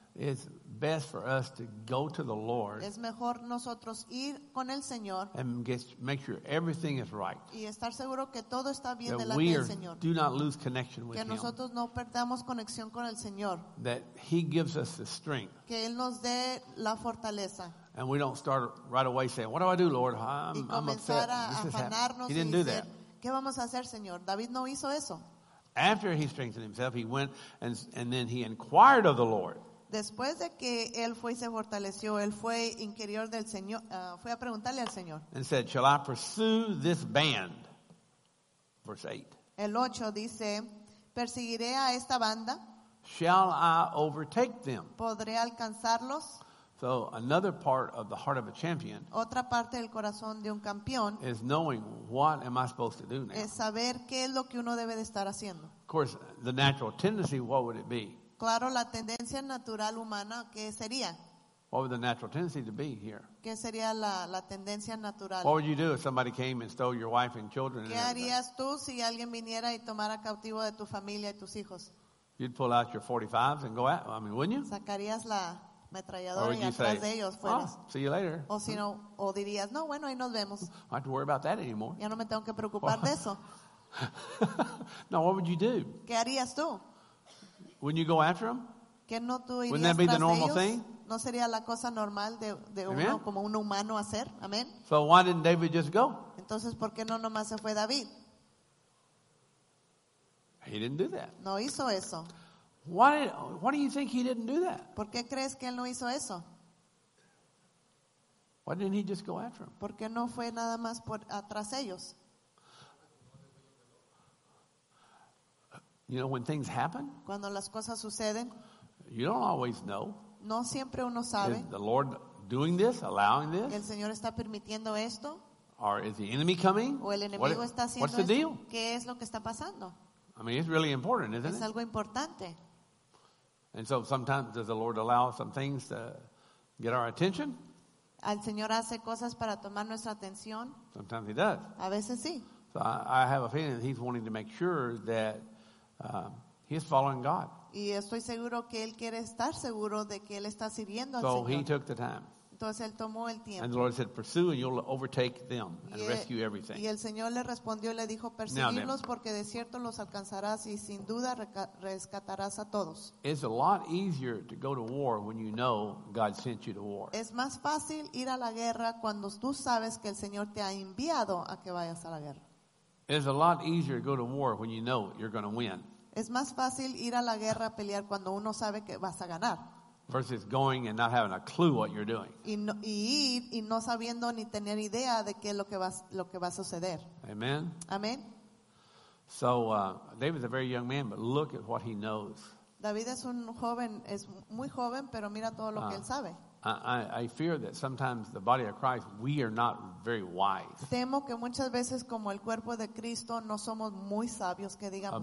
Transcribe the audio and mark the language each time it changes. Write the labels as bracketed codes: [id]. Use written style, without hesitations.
[en] it's best for us to go to the Lord. [es] Es mejor nosotros ir con el Señor. [en] And make sure everything is right. [es] Y estar seguro que todo está bien [en] that [es] delante del Señor. [en] Do not lose connection with [es] Him. Que nosotros no perdamos conexión con el Señor. [en] That He gives us the strength. [es] Que él nos dé la fortaleza. [en] And we don't start right away saying, what do I do, Lord? I'm upset. This is happening. He didn't do that. [es] ¿Qué vamos a hacer, Señor? David no hizo eso. [en] After he strengthened himself, he went and then he inquired of the Lord. [es] Después de que él fue y se fortaleció, él fue inquirió del Señor, fue a preguntarle al Señor. [en] And said, shall I pursue this band? Verse 8. [es] El 8 dice, ¿perseguiré a esta banda? [en] Shall I overtake them? [es] ¿Podré alcanzarlos? [en] So another part of the heart of a champion, [es] otra parte del corazón de un campeón, [en] is knowing what am I supposed to do now. [es] Es saber qué es lo que uno debe de estar haciendo. [en] Of course, the natural tendency, what would it be? [es] Claro, la tendencia natural humana, ¿qué sería? [en] What would the natural tendency to be here? [es] ¿Qué sería la tendencia natural? [en] What would you do if somebody came and stole your wife and children? [es] ¿Qué harías tú si alguien viniera y tomara cautivo de tu familia y tus hijos? [en] You'd pull out your 45s and go out. I mean, wouldn't you? [es] ¿Sacarías la metralladora y atrás de ellos fueras? [en] Oh, see you later. [es] O si no, o dirías, no, bueno, ahí nos vemos. [en] I don't have to worry about that anymore. [es] Ya no me tengo que preocupar de eso. [en] Now, what would you do? [es] ¿Qué harías tú? [en] Wouldn't you go after them? [es] ¿Qué no tú irías [en] Wouldn't that be [es] tras [en] the normal [es] ellos? [en] Thing? [es] ¿No sería la cosa normal de uno como un humano hacer? Amén. [en] So why didn't David just go? [es] Entonces, ¿por qué no nomás se fue David? [en] He didn't do that. [es] No hizo eso. [en] Why do you think he didn't do that? [es] ¿Por qué crees que él no hizo eso? [en] Why didn't he just go after him? [es] ¿Por qué no fue nada más por atrás ellos? [en] You know, when things happen, [es] cuando las cosas suceden, [en] you don't always know. [es] No siempre uno sabe. [en] Is the Lord doing this, allowing this? [es] ¿El Señor está permitiendo esto? [en] Or is the enemy coming? [es] ¿O el enemigo está haciendo [en] esto? What's the deal? [es] ¿Qué es lo que está pasando? [en] I mean, it's really important, isn't it? [es] Es algo importante. [en] And so sometimes does the Lord allow some things to get our attention? [es] ¿Al Señor hace cosas para tomar nuestra atención? [en] Sometimes He does. [es] A veces sí. [en] So I have a feeling that He's wanting to make sure that He's following God. [es] Y estoy seguro que Él quiere estar seguro de que Él está sirviendo al Señor. [en] He took the time. [es] Entonces, él tomó el tiempo. [en] And the Lord said, pursue and you'll overtake them and rescue everything. [es] Y el Señor le respondió, le dijo, perseguirlos porque de cierto los alcanzarás y sin duda rescatarás a todos. [en] It's a lot easier to go to war when you know God sent you to war. [es] Es más fácil ir a la guerra cuando tú sabes que el Señor te ha enviado a que vayas a la guerra. [en] It's a lot easier to go to war when you know you're going to win. [es] Es más fácil ir a la guerra a pelear cuando uno sabe que vas a ganar. [en] Versus going and not having a clue what you're doing. [es] Y no sabiendo ni tener idea de qué es lo que va a suceder. [en] Amen. Amen. So David's a very young man, but look at what he knows. [es] David es un joven, es muy joven, pero mira todo lo que él sabe. [en] I fear that sometimes the body of Christ, we are not very wise. [es] Temo que muchas veces como el cuerpo de Cristo no somos muy sabios, que digamos.